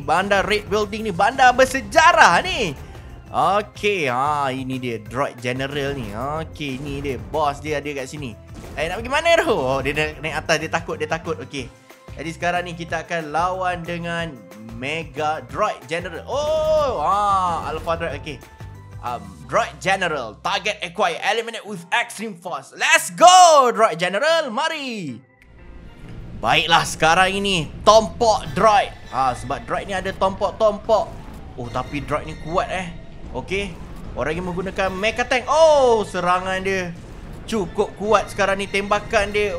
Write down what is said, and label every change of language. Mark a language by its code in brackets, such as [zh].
[ms] Bandar Red Building ni, bandar bersejarah ni. Okey, ha, ini dia droid general ni. Okey, ni dia boss dia ada kat sini. Eh, nak pergi mana tu? Oh, dia naik atas, dia takut, dia takut. Okey. Jadi sekarang ni kita akan lawan dengan Mega Droid General. Oh, ha, Alpha Droid. Okey. [en] Droid General, target acquired, eliminate with extreme force. Let's go, Droid General. Mari. [ms] Baiklah, sekarang ini tompok droid. Ha, sebab droid ni ada tompok-tompok. Oh, tapi droid ni kuat eh. Okey. Orang yang menggunakan mecha tank. Oh, serangan dia cukup kuat sekarang ni, tembakan dia.